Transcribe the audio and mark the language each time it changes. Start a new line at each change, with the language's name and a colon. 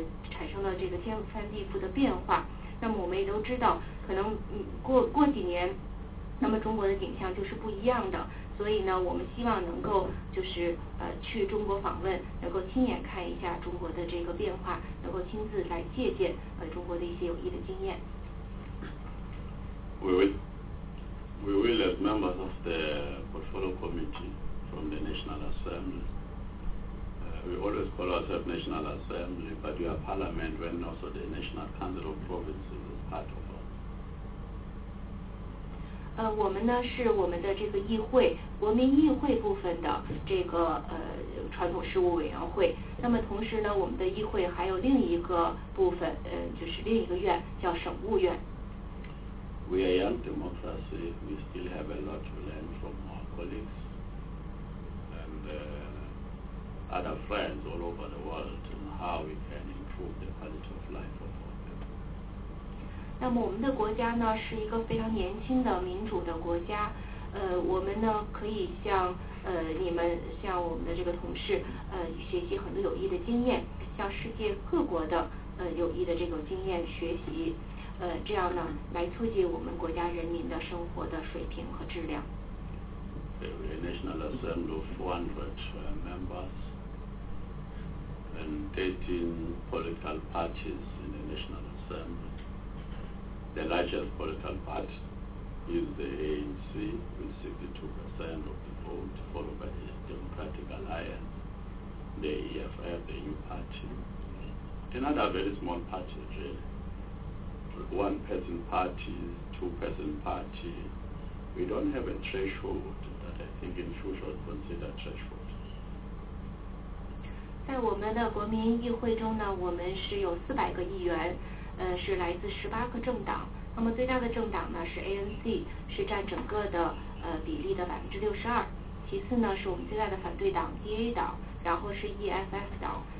Chinese: 产生了这个天翻地覆的变化，那么我们也都知道可能过几年那么中国的景象就是不一样的，所以呢我们希望能够就是去中国访问，能够亲眼看一下中国的这个变化，能够亲自来借鉴中国的一些有益的经验。
English: We will as members of the portfolio committee from the National Assembly, we always call ourselves National Assembly, but we are parliament when also the National Council of Provinces is part of us.
Chinese: 我们呢是我们的这个议会，国民议会部分的这个传统事务委员会。那么同时呢，我们的议会还有另一个部分，就是另一个院叫省务院。
English: We are young democracy. We still have a lot to learn from our colleagues and other friends all over the world on how we can improve the quality of life of our people.
Chinese: 那么我们的国家呢是一个非常年轻的民主的国家，我们呢可以向你们向我们的这个同事学习很多有益的经验，向世界各国的有益的这种经验学习。这样呢来促进我们国家人民的生活的水平和质量。
English: The National Assembly of 400 members and 18 political parties in the National Assembly. The largest political party is the ANC with 62% of the vote, followed by the Democratic Alliance, the EFF, the New Party. Another very small party, really. One-person parties, two-person parties. We don't have a threshold that I think in future would consider threshold.
Chinese: 在我们的国民议会中呢，我们是有400个议员，是来自18个政党。那么最大的政党呢是 ANC， 是占整个的比例的62%。其次呢是我们最大的反对党 DA 党，然后是 EFF 党。